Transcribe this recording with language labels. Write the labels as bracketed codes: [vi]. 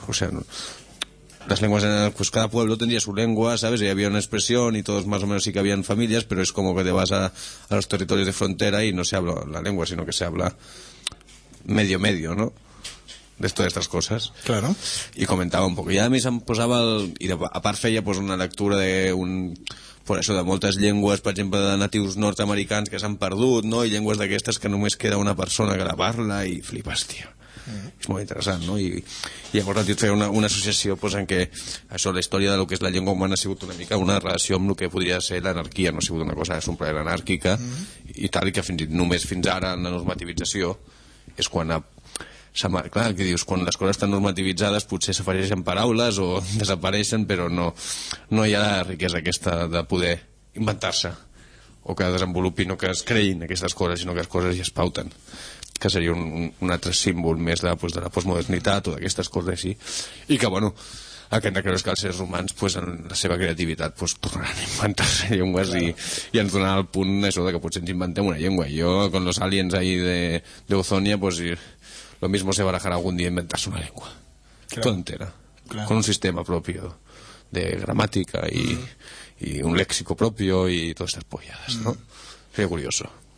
[es] O sea, las lenguas eran, pues cada pueblo tenía su lengua, ¿sabes? Y había una expresión y todos más o menos sí que habían familias, pero es como que te vas a los territorios de frontera y no se habla la lengua, sino que se habla medio, ¿no? De todas estas cosas. Claro. Y comentaba un poco. Y a mí se me posaba, y aparte feia, pues una lectura de un... [ca] Por això de moltes llengües, per exemple, de natius nord-americans que s'han perdut, no? I llengües d'aquestes que només queda una persona que la parla i flipes, tio. Mm. És molt interessant, no? I llavors el tio feia una associació pues, en què això, la història de lo que és la llengua humana ha sigut una mica una relació amb el que podria ser l'anarquia, no ha sigut una cosa sumplera anàrquica i tal, i que fins ara en la normativització és quan clar, que dius, quan les coses estan normativitzades potser s'afegeixen paraules o desapareixen, però no hi ha la riquesa aquesta de poder inventar-se o que desenvolupin o que es creïn aquestes coses, sinó que les coses ja es pauten, que seria un altre símbol més de la postmodernitat o d'aquestes coses així, i que bueno, el que hem de creure és que els éssers humans, pues, en la seva creativitat, pues, tornaran a inventar-se llengües, claro. I ens donarà el punt això de que potser ens inventem una llengua. [es] Jo, con los aliens ahí de Ozonia, pues, lo mismo se barajará algún día [ca] inventar-se una llengua. [es] Claro. Toda entera. Claro. Con un sistema propio de gramática y, y un léxico propio y todas estas polladas, ¿no? Sería curioso.